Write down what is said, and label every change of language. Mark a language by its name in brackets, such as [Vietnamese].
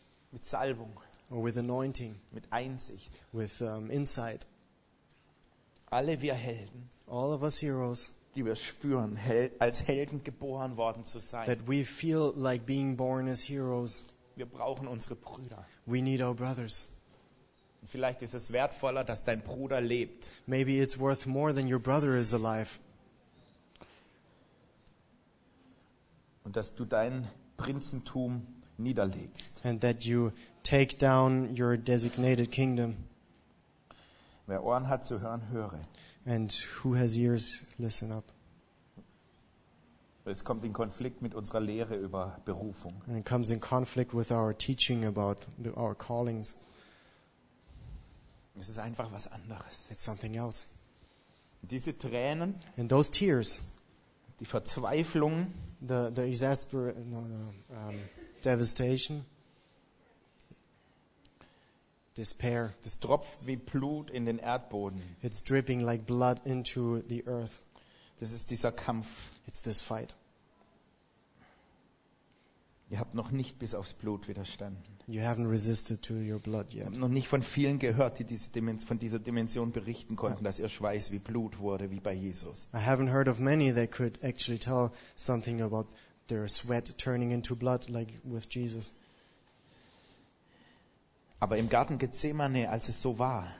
[German] Mit Salbung. [English] Or with anointing. [German] Mit Einsicht. [English] With insight. [German] Alle wir Helden. [English] All of us heroes. [German] Die wir spüren, als Helden geboren worden zu sein. [English] That we feel like being born as heroes. [German] Wir brauchen unsere Brüder. [English] We need our brothers. [German] Vielleicht ist es wertvoller, dass dein Bruder lebt. [English] Maybe it's worth more than your brother is alive. [German] Und dass du dein Prinzentum niederlegst. [English] And that you take down your designated kingdom. [German] Wer Ohren hat zu hören, höre. [English] And who has ears, listen up. [German] Es kommt in Konflikt mit unserer Lehre über Berufung. [English] And it comes in conflict with our teaching about our callings. [German] Es ist einfach was anderes. [English] It's something else. [German] Diese Tränen, [English] and those tears, [German] die Verzweiflung, [English] the exasperation, devastation, despair, [German] das tropft wie Blut in den Erdboden. [English] It's dripping like blood into the earth. [German] Das ist dieser Kampf. [English] It's this fight. [German] Ihr habt noch nicht bis aufs Blut widerstanden. [English] You haven't resisted to your blood yet. [German] Noch nicht von vielen gehört, die diese von dieser Dimension berichten konnten, dass ihr Schweiß wie Blut wurde, wie bei Jesus. [English] I haven't heard of many that could actually tell something about their sweat turning into blood like with Jesus. [German] Aber im Garten Gethsemane, als es so war.